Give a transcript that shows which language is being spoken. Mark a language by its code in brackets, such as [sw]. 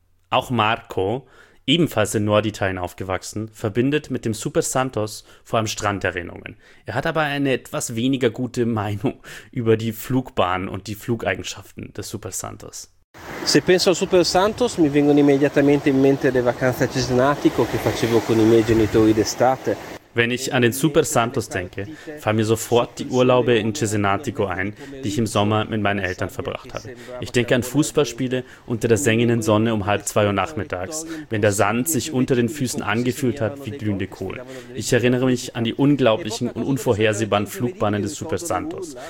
[de] Auch Marco, ebenfalls in Norditalien aufgewachsen, verbindet mit dem Super Santos vor allem Stranderinnerungen. Er hat aber eine etwas weniger gute Meinung über die Flugbahn und die Flugeigenschaften des Super Santos. [it] Se penso al Super Santos, mi vengono immediatamente in mente le vacanze a Cesenatico che facevo con i miei genitori d'estate. [de] Wenn ich an den Super Santos denke, fallen mir sofort die Urlaube in Cesenatico ein, die ich im Sommer mit meinen Eltern verbracht habe. Ich denke an Fußballspiele unter der sengenden Sonne um 1:30 Uhr nachmittags, wenn der Sand sich unter den Füßen angefühlt hat wie glühende Kohlen. Ich erinnere mich an die unglaublichen und unvorhersehbaren Flugbahnen des Super Santos.